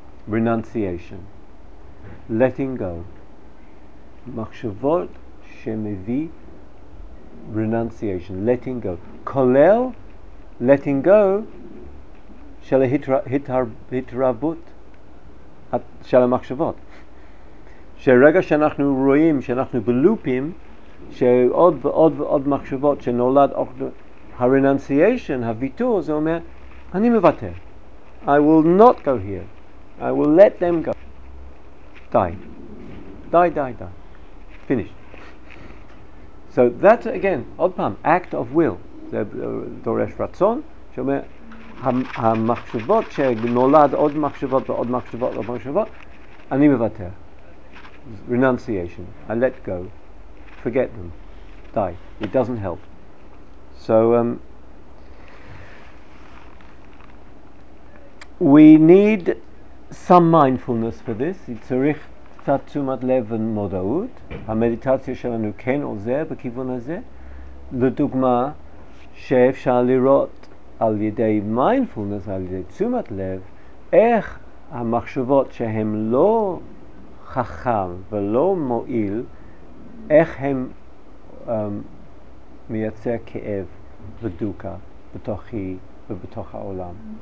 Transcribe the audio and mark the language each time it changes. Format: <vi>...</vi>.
<en>Renunciation, letting go,</en> <he>מחשבות שמביא</he> <en>renunciation, letting go,</en> <he>כולל</he> <en>letting go</en> <he>של ההתרבות של המחשבות. שרגע שאנחנו רואים שאנחנו בלופים, שעוד ועוד ועוד מחשבות שנולד, ה-renunciation, הוויתור, זה אומר, אני מוותר,</he> <en>I will not go here. I will let them go. Die. Finish. So that's again,</en> <he>עוד פעם,</he> <en>act of will.</en> <he>זה דורש רצון, שאומר, המחשבות שנולד עוד מחשבות ועוד מחשבות ועוד מחשבות, אני מוותר.</he> <en>Renunciation. I let go. Forget them. Die. It doesn't help. So, we need some mindfulness for this.</en> <he>צריך קצת תשומת לב ומודעות. המדיטציה שלנו כן עוזר בכיוון הזה. לדוגמה, שאפשר לראות על ידי mindfulness, על ידי תשומת לב, איך המחשבות שהן לא חכם ולא מועיל, איך הן מייצר כאב ודוקה בתוכי ובתוך העולם.</he>